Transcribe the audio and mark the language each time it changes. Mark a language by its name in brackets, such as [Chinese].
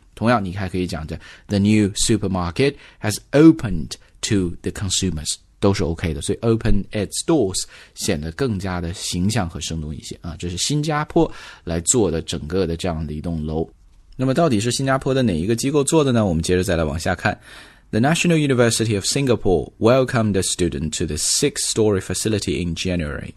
[Chinese] 同样你还可以讲着 [English] the new supermarket has opened to the consumers, [Chinese] 都是 OK 的，所以 [English] open its doors [Chinese] 显得更加的形象和生动一些啊。这是新加坡来做的整个的这样的一栋楼。那么到底是新加坡的哪一个机构做的呢？我们接着再来往下看。 [English] The National University of Singapore welcomed a student to the six-story facility in January.